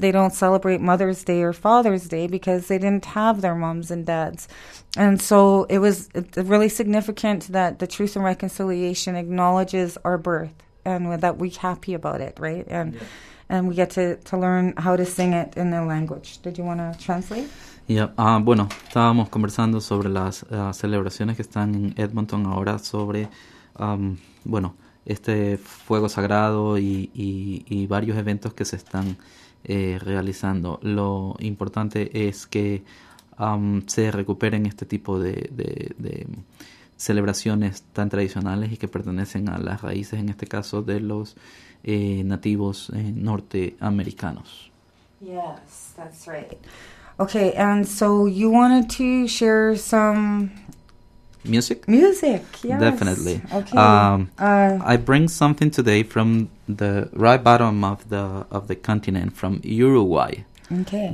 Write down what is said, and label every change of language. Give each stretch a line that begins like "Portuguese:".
English: They don't celebrate Mother's Day or Father's Day because they didn't have their moms and dads. And so it was really significant that the Truth and Reconciliation acknowledges our birth and that we're happy about it, right? And yeah. And we get to learn how to sing it in their language. Did you want to translate? Yeah.
Spanish: Bueno, estábamos conversando sobre las celebraciones que están en Edmonton ahora sobre, bueno, este fuego sagrado y varios eventos que se están realizando. Lo importante es que se recuperen este tipo de celebraciones tan tradicionales y que pertenecen a las raíces, en este caso, de los nativos norteamericanos.
English: Yes, that's right. Okay, and so you wanted to share some music? Music, yes. Definitely. Okay. I bring something today from the right bottom of the continent, from Uruguay. Okay.